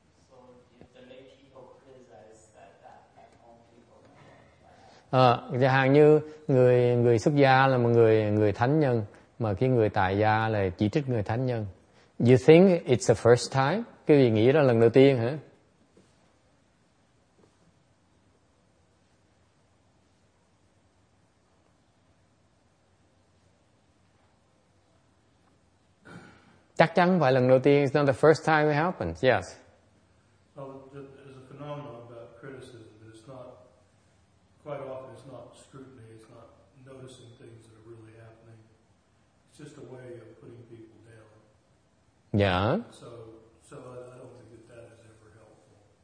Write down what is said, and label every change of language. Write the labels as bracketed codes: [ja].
[en] So the lay people criticize that left home people. [vi] Chẳng hạn như người xuất gia là một người thánh nhân, mà cái người tại gia là chỉ trích người thánh nhân. [en] You think it's the first time? [vi] Cái gì nghĩ là lần đầu tiên hả? Chắc chắn phải lần đầu tiên. [en] It's not the first time it happens. Yes. Well, there's a phenomenon about criticism, but it's not, quite often it's not scrutiny, it's not noticing things that are really happening. It's just a way of putting people down. Yeah. So I don't think that is ever helpful.